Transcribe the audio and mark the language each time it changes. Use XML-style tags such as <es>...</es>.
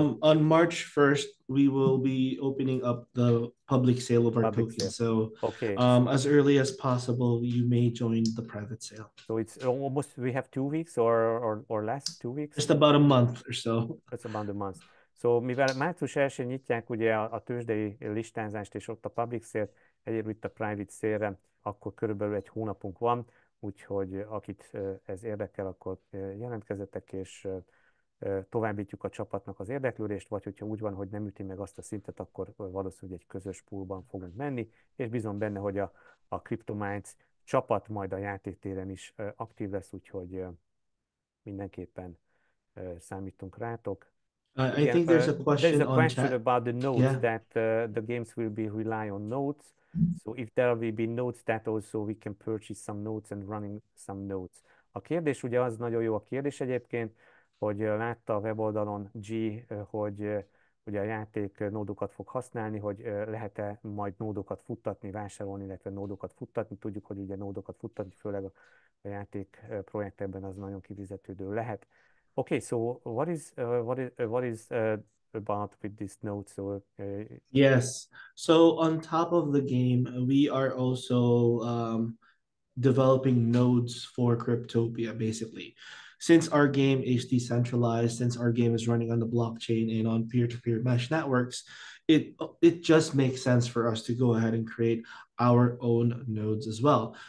<en>on March 1st, we will be opening up the public sale of our public token. Sale. So okay. As early as possible, you may join the private sale. So it's almost, we have 2 weeks or less, 2 weeks? Just about a month or so. That's about a month.</en> <hu>So mivel március 1-én nyitják ugye a tőzsdei listázást és ott a public sale-t, egyébként itt a private sale-re, akkor körülbelül egy hónapunk van, úgyhogy akit ez érdekel, akkor jelentkezzetek, és továbbítjuk a csapatnak az érdeklődést, vagy hogyha úgy van, hogy nem üti meg azt a szintet, akkor valószínűleg egy közös poolban fogunk menni, és bízom benne, hogy a Cryptominds csapat majd a játéktéren is aktív lesz, úgyhogy mindenképpen számítunk rátok.</hu> <en>I think there's a question, there's a question on chat. About the notes, yeah. That the games will be rely on notes. So if there will be notes, that also we can purchase some notes and running some notes.</en> <hu>A kérdés ugye az nagyon jó a kérdés egyébként, hogy látta a weboldalon G, hogy ugye a játék nódokat fog használni, hogy lehet-e majd nódokat futtatni, vásárolni, illetve nódokat futtatni. Tudjuk, hogy ugye nódokat futtatni, főleg a játék projektekben az nagyon kivizetődő lehet.</hu> <en>Okay, so what is about with this node? So yes, so on top of the game, we are also developing nodes for Cryptopia, basically. Since our game is decentralized, since our game is running on the blockchain and on peer-to-peer mesh networks, it just makes sense for us to go ahead and create our own nodes as well.</en>